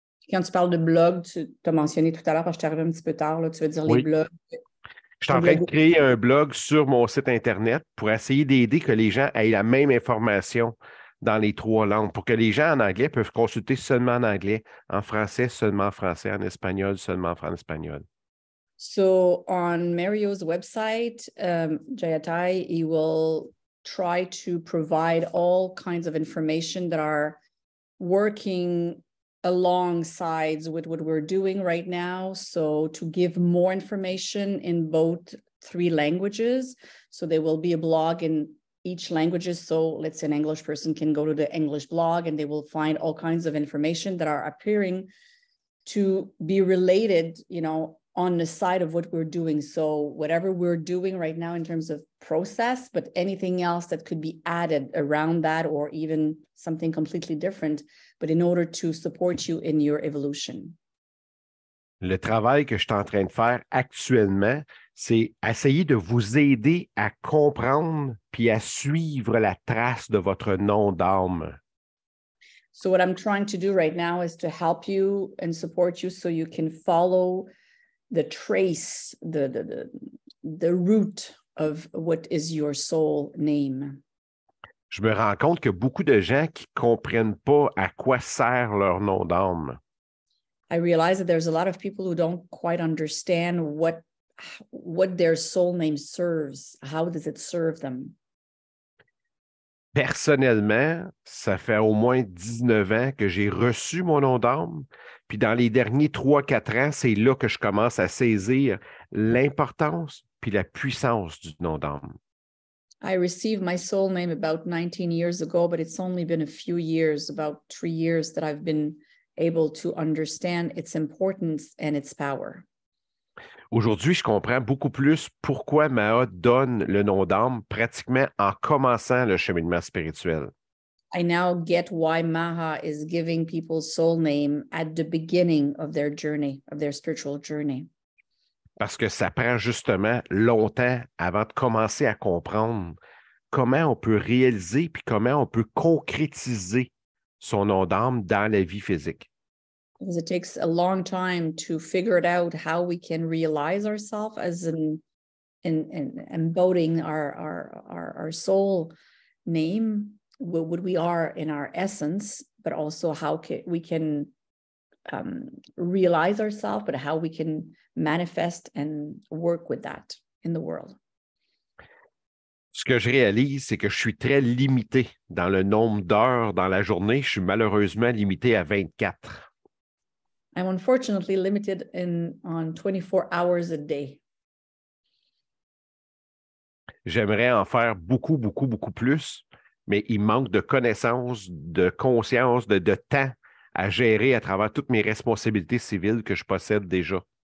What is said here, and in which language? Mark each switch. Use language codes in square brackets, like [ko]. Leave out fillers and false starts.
[fr] Quand tu parles de blog, tu as mentionné tout à l'heure, quand je suis arrivé un petit peu tard, là, tu veux dire oui. Les blogs. Je suis en train de créer un blog sur mon site Internet pour essayer d'aider que les gens aient la même information dans les trois langues, pour que les gens en anglais peuvent consulter seulement en anglais, en français seulement en français, en espagnol seulement en espagnol. [en] So, on Mario's website, Jaya Tay, he will try to provide all kinds of information that are working alongside with what we're doing right now. So, to give more information in both three languages. So, there will be a blog in each language, so let's say an English person can go to the English blog and they will find all kinds of information that are appearing to be related, you know, on the side of what we're doing. So whatever we're doing right now in terms of process, but anything else that could be added around that, or even something completely different, but in order to support you in your evolution. [fr] Le travail que je suis en train de faire actuellement, c'est essayer de vous aider à comprendre puis à suivre la trace de votre nom d'âme. [en] So what I'm trying to do right now is to help you and support you so you can follow the trace, the root of what is your soul name. [fr] Je me rends compte que beaucoup de gens qui comprennent pas à quoi sert leur nom d'âme. [en] I realize that there's a lot of people who don't quite understand what their soul name serves. How does it serve them? [fr] Personnellement, ça fait au moins 19 ans que j'ai reçu mon nom d'âme. Puis dans les derniers 3-4 ans, c'est là que je commence à saisir l'importance puis la puissance du nom d'âme. [en] I received my soul name about 19 years ago, but it's only been a few years, about 3 years that I've been able to understand its importance and its power. [fr] Aujourd'hui, je comprends beaucoup plus pourquoi Maa donne le nom d'âme pratiquement en commençant le cheminement spirituel. [en] I now get why Maha is giving people soul name at the beginning of their journey, of their spiritual journey. [fr] Parce que ça prend justement longtemps avant de commencer à comprendre comment on peut réaliser puis comment on peut concrétiser son nom d'âme dans la vie physique. [en] Because it takes a long time to figure it out how we can realize ourselves as in embodying our soul name, what we are in our essence, but also how we can realize ourselves, but how we can manifest and work with that in the world. [fr] Ce que je réalise, c'est que je suis très limité dans le nombre d'heures dans la journée. Je suis malheureusement limité à 24. [en] I'm unfortunately limited on 24 hours a day. [fr] J'aimerais en faire beaucoup, beaucoup, beaucoup plus, mais il manque de connaissances, de conscience, de temps à gérer à travers toutes mes responsabilités civiles que je possède déjà.